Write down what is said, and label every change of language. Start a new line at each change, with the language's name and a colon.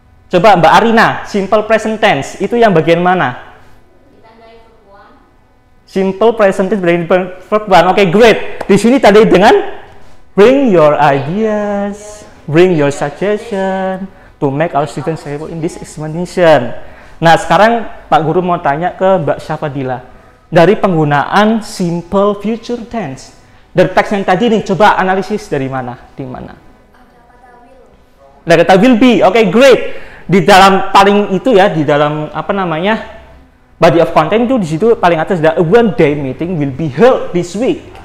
Indonesian: Coba Mbak Arina, simple present tense itu yang bagian mana? Simple present tense berarti verb 1. Oke, great. Di sini tadi dengan
English: bring your ideas, bring your suggestion to make our students successful in this examination.
Indonesian: Nah, sekarang Pak Guru mau tanya ke Mbak Syafadila. Dari penggunaan simple future tense dari teks yang tadi nih, coba analisis dari mana, di mana? Dari kata will be. Oke, okay, great. Di dalam paling itu ya, di dalam apa namanya body of content itu di situ paling atas ada
English: a one day meeting will be held this week.